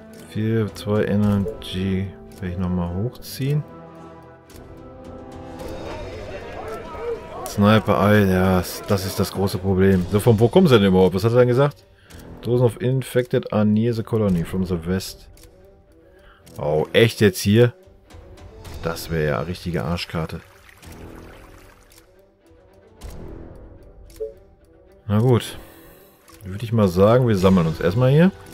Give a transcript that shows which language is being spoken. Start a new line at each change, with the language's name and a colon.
German: Hier 2 Energy werde ich nochmal hochziehen. Sniper Ei, ja, das ist das große Problem. So, von wo kommen sie denn überhaupt? Was hat er denn gesagt?
English: Dozen of Infected are near the colony from the west.
German: Oh, echt jetzt hier? Das wäre ja eine richtige Arschkarte. Na gut. Würde ich mal sagen, wir sammeln uns erstmal hier.